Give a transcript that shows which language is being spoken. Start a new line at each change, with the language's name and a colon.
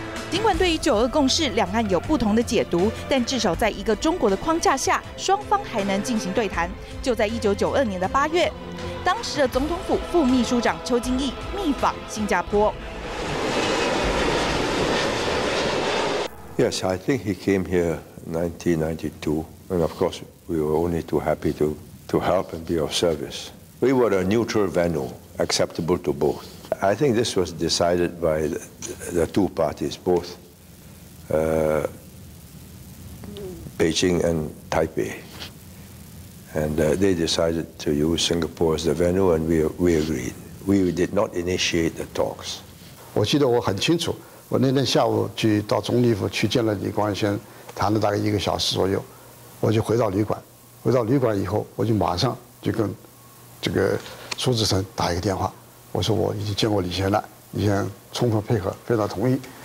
Chinese: 尽管对于九二共识两岸有不同的解读，但至少在一个中国的框架下，双方还能进行对谈。就在1992年的8月，当时的总统府副秘书长邱进义密访新加坡。
English: Yes, I think he came here in 1992, and of course we were only too happy to help and be of service. We were a neutral venue, acceptable to both. I think this was decided by the two parties, both Beijing and Taipei. And they decided to use Singapore as the venue, and we agreed. We did not initiate the talks.
Chinese: 我记得我很清楚。我那天下午去到总理府去见了李光先，谈了大概1个小时左右，我就回到旅馆。回到旅馆以后，我就马上就跟这个苏志成打一个电话，我说我已经见过李先了，李先充分配合，非常同意。